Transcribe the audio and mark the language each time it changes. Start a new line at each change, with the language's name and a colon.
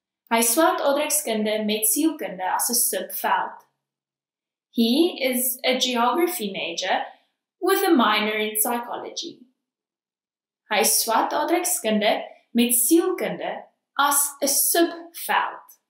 Afrikaans: Hy swaat aardrykskunde met sielkunde as 'n subveld.
English: He is a geography major with a minor in psychology.
Afrikaans: Hy swaat aardrykskunde met sielkunde as 'n subveld.